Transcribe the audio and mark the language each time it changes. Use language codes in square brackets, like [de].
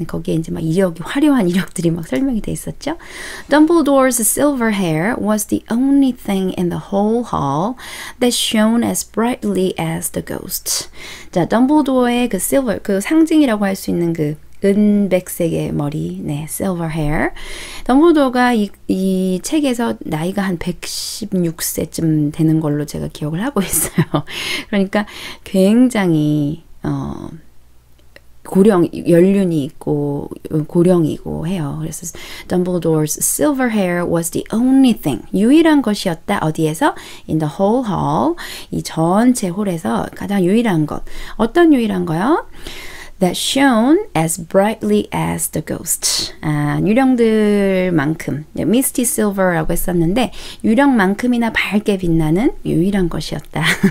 [ko] 거기에 이제 막 이력이 화려한 이력들이 막 설명이 돼 있었죠. [en] Dumbledore's silver hair was the only thing in the whole hall that shone as brightly as the ghost. [ko] 자, Dumbledore의 그 silver 그 상징이라고 할 수 있는 그 은백색의 머리, 네, silver hair. 덤블도어가 이 책에서 나이가 한 116세쯤 되는 걸로 제가 기억을 하고 있어요. 그러니까 굉장히 고령 연륜이 있고 고령이고 해요. 그래서 [en] Dumbledore's silver hair was the only thing. [ko] 유일한 것이었다. 어디에서? [en] In the whole hall. [ko] 이 전체 홀에서 가장 유일한 것. 어떤 유일한 거요? [en] That shone as brightly as the ghost. [ko] 아, 유령들만큼 misty silver라고 했었는데 유령만큼이나 밝게 빛나는 유일한 것이었다.